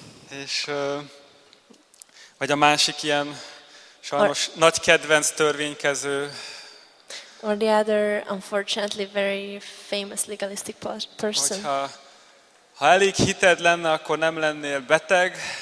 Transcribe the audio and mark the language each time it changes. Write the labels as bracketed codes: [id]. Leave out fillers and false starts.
[hu] És vagy a másik ilyen sajnos nagy kedvenc törvénykező. [en] Or the other unfortunately very famous legalistic person. [hu] Ha elég hited lenne, akkor nem lennél beteg.